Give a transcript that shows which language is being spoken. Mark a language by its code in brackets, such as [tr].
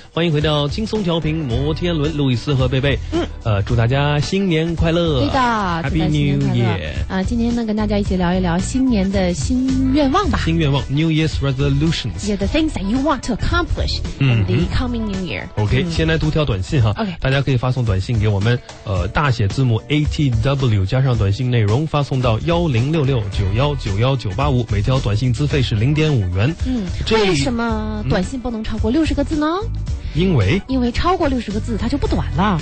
[zh] 欢迎回到轻松调频摩天轮，路易斯和贝贝。嗯，祝大家新年快乐。对的 [en] ，Happy New Year。 [zh] 啊，今天呢，跟大家一起聊一聊新年的新愿望吧。新愿望 [en] ，New Year's Resolutions。 Yeah, the things that you want to accomplish in the coming New Year. [zh] OK，先来读条短信哈。 OK，大家可以发送短信给我们，大写字母 ATW 加上短信内容，发送到10669191985，每条短信资费是0.5元。嗯，为什么短信不能超过60个字呢？因为超过60个字它就不短了。